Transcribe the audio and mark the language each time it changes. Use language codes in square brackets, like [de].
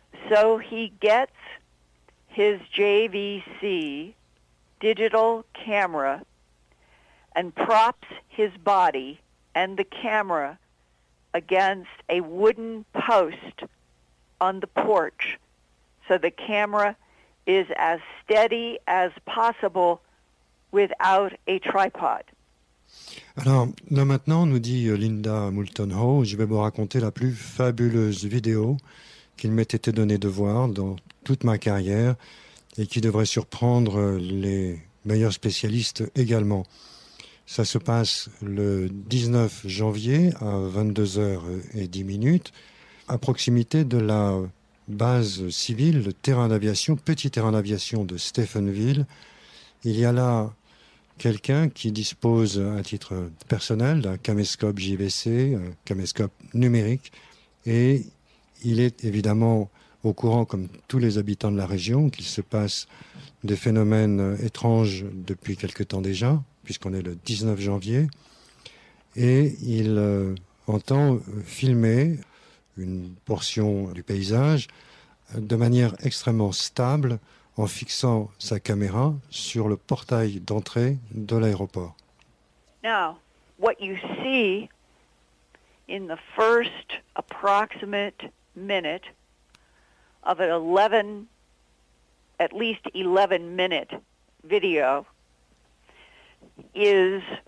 [en] So he gets his JVC digital camera and props his body and the camera against a wooden post on the porch so the camera is as steady as possible without a tripod. [fr] Alors, là maintenant, nous dit Linda Moulton Howe, je vais vous raconter la plus fabuleuse vidéo qu'il m'ait été donné de voir dans toute ma carrière et qui devrait surprendre les meilleurs spécialistes également. Ça se passe le 19 janvier à 22h10, à proximité de la base civile, le terrain d'aviation, petit terrain d'aviation de Stephenville. Il y a là quelqu'un qui dispose à titre personnel d'un caméscope JVC, un caméscope numérique, et il est évidemment au courant, comme tous les habitants de la région, qu'il se passe des phénomènes étranges depuis quelque temps déjà, puisqu'on est le 19 janvier, et il entend filmer une portion du paysage de manière extrêmement stable en fixant sa caméra sur le portail d'entrée de l'aéroport. [en] Now, what you see in the first approximate minute of an 11, at least 11 minute video is